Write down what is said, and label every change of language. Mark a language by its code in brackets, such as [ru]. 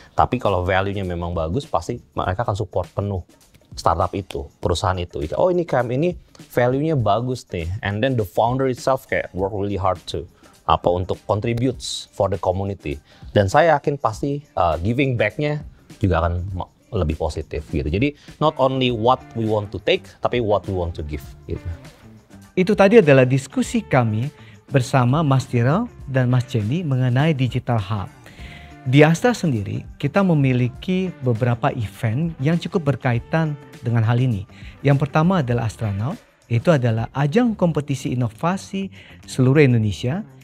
[id] Tapi kalau value-nya memang bagus, pasti mereka akan support penuh startup itu, perusahaan itu. Oh, ini camp ini value-nya bagus nih, [en] and then the founder itself kayak work really hard to apa untuk contributes for the community. [id] Dan saya yakin pasti giving back-nya juga akan lebih positif gitu. [en] Jadi not only what we want to take, tapi what we want to give gitu. [id] Itu tadi adalah diskusi kami bersama Mas Tirel dan Mas Jenny mengenai Digital Hub. Di Astra sendiri, kita memiliki beberapa event yang cukup berkaitan dengan hal ini. Yang pertama adalah Astranaut, itu adalah ajang kompetisi inovasi seluruh Indonesia.